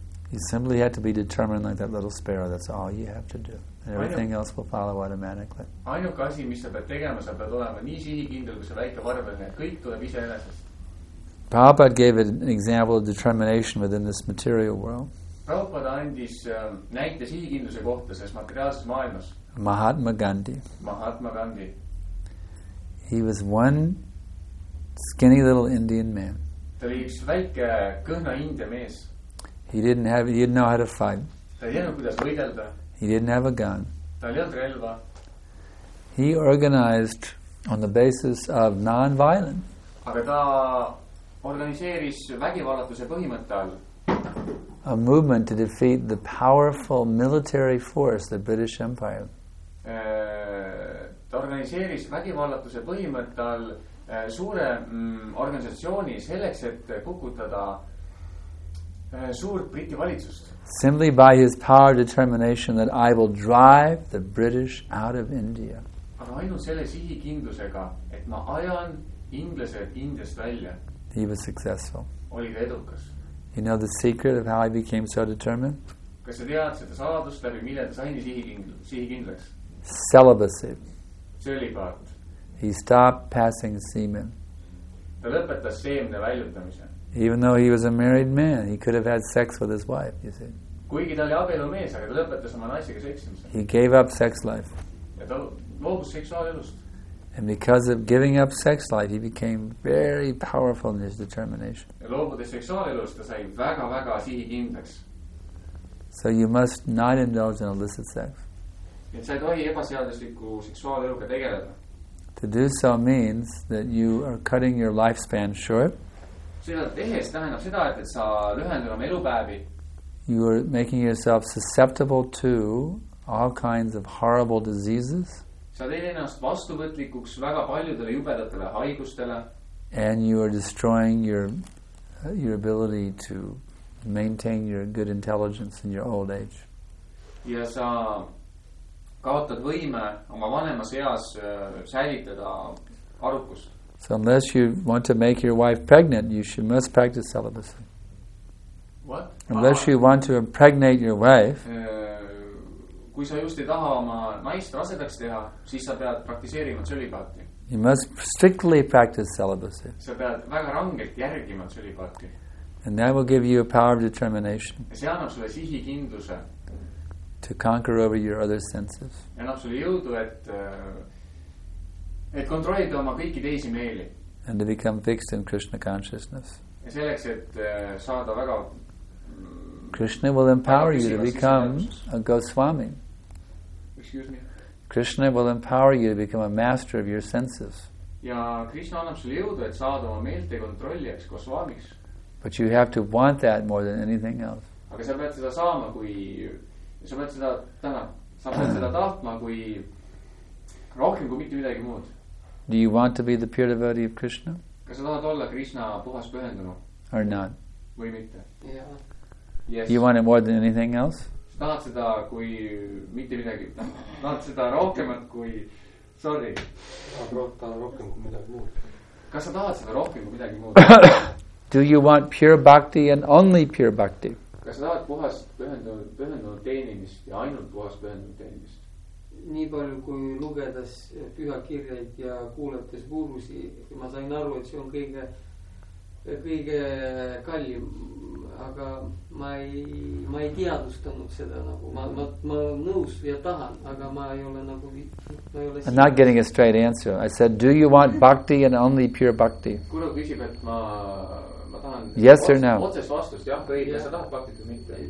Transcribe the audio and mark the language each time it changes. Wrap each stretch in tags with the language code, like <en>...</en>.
<en>You simply have to be determined like that little sparrow. That's all you have to do. And everything else will follow automatically.</en> <et>Ainuke asi, mis sa pead tegema, sa pead olema nii sihikindel kui see väike varblane. Kõik tuleb ise enesest.</et> <en>Prabhupada gave an example of determination within this material world.</en> <et>Prabhupada andis näite sihikindluse kohta selles materiaalses maailmas.</et> <en>Mahatma Gandhi.</en> <et>Mahatma Gandhi.</et> <en>He was one skinny little Indian man.</en> <et>Ta oli üks väike kõhna India mees.</et> <en>He didn't have, he didn't know how to fight.</en> <et>Ta ei olnud, kuidas võidelda.</et> <en>He didn't have a gun.</en> <et>Ta ei olnud relva.</et> <en>He organized on the basis of non-violent.</en> <et>Aga ta organiseeris vägivallatuse põhimõtte all.</et> <en>A movement to defeat the powerful military force, the British Empire.</en> <et>Ta organiseeris vägivallatuse põhimõtte all suure organisatsiooni selleks, et kukutada suurt Briti valitsust.</et> <en>Simply by his power determination that I will drive the British out of India.</en> <et>Aga ainult selle sihikindlusega, et ma ajan inglased Indiast välja.</et> <en>He was successful.</en> <et>Oli ta edukas.</et> <en>You know the secret of how I became so determined?</en> <et>Kas sa tead seda saladust läbi, mille ta sain sihikindlaks?</et> <en>Celibacy.</en> <et>Sölibaat.</et> <en>He stopped passing semen.</en> <et>Ta lõpetas seemne väljutamise.</et> <en>Even though he was a married man, he could have had sex with his wife, you see.</en> <et>Kuigi ta oli abielu mees, aga ta lõpetas oma naisega seksimise.</et> <en>He gave up sex life.</en> <et>Ja ta loobus seksuaalelust.</et> <en>And because of giving up sex life, he became very powerful in his determination.</en> <et>Ja loobudes seksuaalelust, ta sai väga, väga sihikindlaks.</et> <en>So you must not indulge in illicit sex.</en> <et>Ja sa ei tohi ebaseadusliku seksuaaleluga tegeleda.</et> <en>To do so means that you are cutting your lifespan short.</en> <et>Seda tehes tähendab seda, et sa lühendad oma elupäevi.</et> <en>You are making yourself susceptible to all kinds of horrible diseases.</en> <et>Sa teed ennast vastuvõtlikuks väga paljudele jubedatele haigustele.</et> <en>And you are destroying your ability to maintain your good intelligence in your old age.</en> <et>Ja sa kaotad võime oma vanemas eas säilitada arukust.</et> <en>So unless you want to make your wife pregnant, you must practice celibacy. What? Unless you want to impregnate your wife,</en> <et>kui sa just ei taha oma naist rasedaks teha, siis sa pead praktiseerima tsölibaati.</et> <en>You must strictly practice celibacy.</en> <et>Sa pead väga rangelt järgima tsölibaati.</et> <en>And that will give you a power of determination.</en> <et>Ja see annab sulle sihikindluse.</et> <en>To conquer over your other senses.</en> <et>Ja annab sulle jõudu, et kontrollida oma kõiki teisi meeli.</et> <en>And to become fixed in Krishna consciousness.</en> <et>Ja selleks, et saada väga...</et> <en>Krishna will empower you to become a Goswami. Excuse me. Krishna will empower you to become a master of your senses.</en> <et>Ja Krishna annab sulle jõudu, et saada oma meelte kontrolliks Goswamiks.</et> <en>But you have to want that more than anything else.</en> <et>Aga sa pead seda saama, kui... Sa pead seda tahtma, kui... rohkem kui mitte midagi muud.</et> <en>Do you want to be the pure devotee of Krishna?</en> <et>Kas sa tahad olla Krishna puhas pühendunu?</et> <en>Or not?</en> <et>Või mitte?</et> <en>Yeah. Yes. You want it more than anything else?</en> <et>Sa tahad seda kui mitte midagi. Tahad seda rohkemat kui...</et> <en>Sorry.</en> <et>Tahad rohkem kui midagi muud. Kas sa tahad seda rohkem kui midagi muud?</et> <en>Do you want pure bhakti and only pure bhakti?</en> <et>Kas sa tahad puhast pühendunud teenimist ja ainult puhast pühendunud teenimist? Nii palju kui lugedes pühakirjaid ja kuulates gurusi, ma sain aru, et see on kõige kallim, aga ma ei teadustanud seda nagu ma nõus ja tahan, aga ma ei ole nagu</et> <en>I'm not getting a straight answer. I said, do you want bhakti and only pure bhakti?</en> <et>Kuru küsib, et ma tahan</et> <en>Yes or no?</en> <et>Otses vastust, jah, kõige,</et> <en>yeah.</en> <et>sa tahad bhakti või mitte?</et>